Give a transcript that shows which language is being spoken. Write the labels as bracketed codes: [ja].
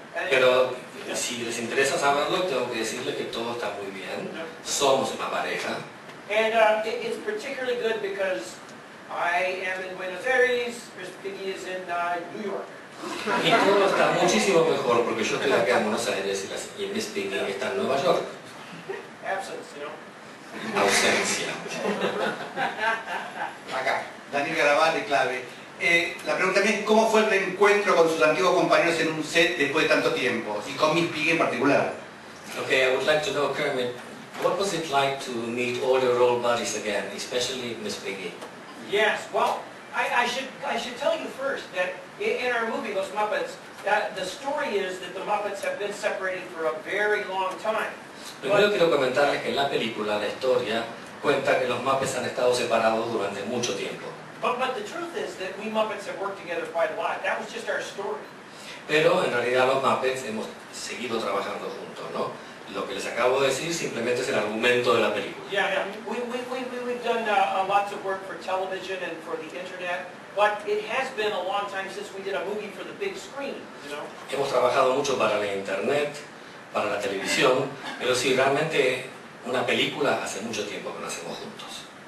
[es] Pero si les interesa saberlo, tengo que decirles que todo está muy bien. Somos una pareja. [en] And it's particularly good because I am in Buenos Aires, Miss Piggy is in New York. [es] Y todo está muchísimo mejor porque yo estoy acá en Buenos Aires y Miss Piggy está en Nueva York. [en] Absence, you know. [es] Ausencia. Acá, Daniel Garabal de Clave. La pregunta es, ¿cómo fue el reencuentro con sus antiguos compañeros en un set después de tanto tiempo? Y con Miss Piggy en particular. [en] Okay, I would like to know, Kermit, what was it like to meet all your old buddies again, especially Miss Piggy? Yes, well, I should tell you first that in our movie, Los Muppets, that the story is that the Muppets have been separated for a very long time. [es] Primero quiero comentarles que en la película, la historia, cuenta que los Muppets han estado separados durante mucho tiempo. [en] But the truth is that we Muppets have worked together quite a lot. That was just our story. [es] Pero en realidad los Muppets hemos seguido trabajando juntos, ¿no? Lo que les acabo de decir simplemente es el argumento de la película. [en] We've done lots of work for television and for the internet, but it has been a long time since we did a movie for the big screen, you know? [es] Hemos trabajado mucho para la internet, para la televisión, pero sí, realmente una película hace mucho tiempo que la hacemos juntos.